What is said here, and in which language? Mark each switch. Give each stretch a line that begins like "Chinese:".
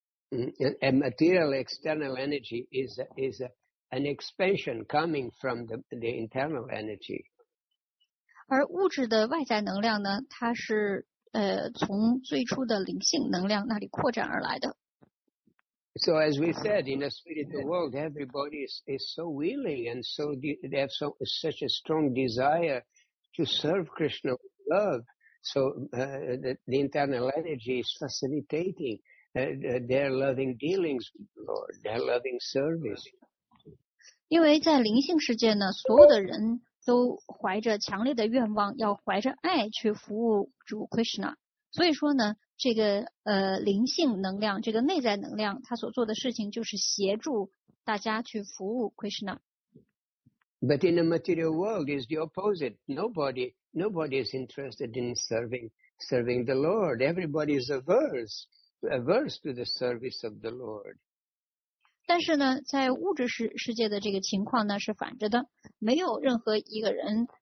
English: A material external energy is an expansion coming from the internal energy.
Chinese: 而物质的外在能量呢，它是从最初的灵性能量那里扩展而来的。
English: So as we said, in the spiritual world, everybody is so willing and so they have so such a strong desire to serve Krishna with love. So the internal energy is facilitating their loving dealings with the Lord, their loving service.
Chinese: 因为在灵性世界呢，所有的人。都怀着强烈的愿望，要怀着爱去服务主 Krishna。所以说呢，这个灵性能量，这个内在能量，他所做的事情就是协助大家去服务 Krishna。
English: But in the material world is the opposite. Nobody is interested in serving the Lord. Everybody is averse to the service of the Lord.
Chinese: 但是呢，在物质世界的这个情况呢是反着的，没有任何一个人